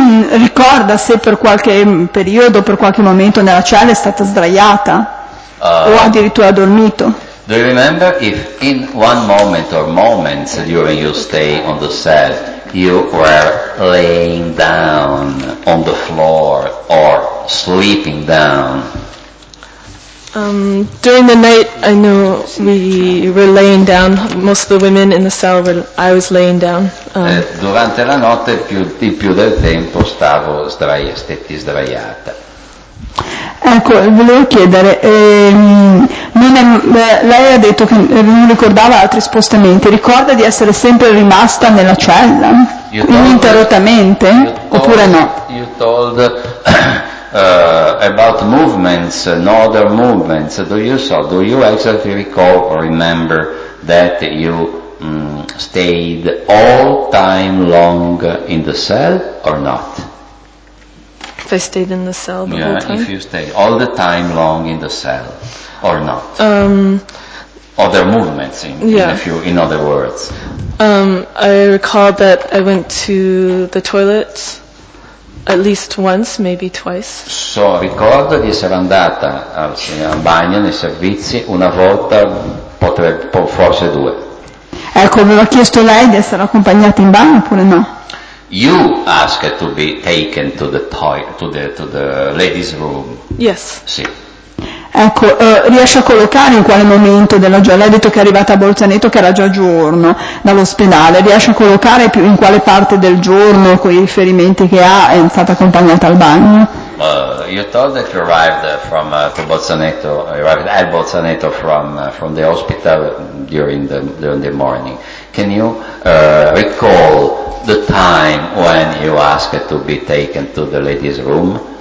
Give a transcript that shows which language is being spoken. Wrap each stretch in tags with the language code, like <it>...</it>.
<it>Ricorda se per qualche periodo, per qualche momento nella cella è stata sdraiata o addirittura dormito.</it> <en>Do you remember if in one moment or moments during your stay on the cell you were laying down on the floor or sleeping down? During the night, I know we were laying down. Most of the women in the cell, I was laying down.</en> <it>Durante la notte, più del tempo stavo sdraiata. Ecco, volevo chiedere. Lei ha detto che non ricordava altri spostamenti. Ricorda di essere sempre rimasta nella cella, ininterrottamente, oppure no?</it> <en>You told. About movements, no other movements. Do you exactly recall or remember that you stayed all time long in the cell or not? If I stayed in the cell the whole time? Yeah, if you stayed all the time long in the cell or not. Other movements, in other words. I recall that I went to the toilet at least once, maybe twice.</en> <it>So, ricordo di essere andata al bagno, nei servizi, una volta, forse due. Ecco, aveva chiesto lei di essere accompagnata in bagno oppure no?</it> <en>You asked to be taken to the toilet, to the ladies' room. Yes.</en> <it>Sì. Ecco, riesce a collocare in quale momento della giornata, ha detto che è arrivata a Bolzaneto, che era già giorno, dall'ospedale, riesce a collocare più in quale parte del giorno, con i riferimenti che ha, è stata accompagnata al bagno?</it> <en>You told that you arrived from the hospital during the morning. Can you recall the time when you asked to be taken to the ladies' room?</en>